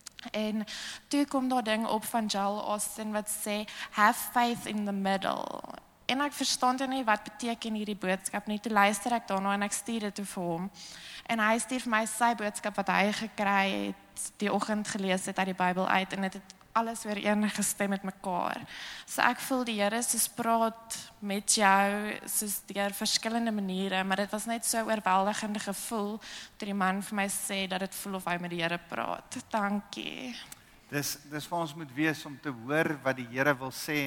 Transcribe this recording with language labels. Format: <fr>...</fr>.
<af>En toe kom daar ding op van Joel Austin wat sê,</af> <en>have faith in the middle.</en> <af>En ek verstaan nie wat beteken hierdie boodskap nie. Toe luister ek daarna en ek stuur dit toe vir hom. En hy stuur vir my sy boodskap wat hy gekry het, die oggend gelees het uit die Bybel uit. En het alles weer een gestem met mekaar. So ek voel die Here soos praat met jou, soos deur verskillende maniere. Maar dit was net so oorweldigende gevoel, toe die man vir my sê dat het voel of hy met die Here praat. Dankie. Dis wat ons moet wees om te hoor wat die Here wil sê.</af>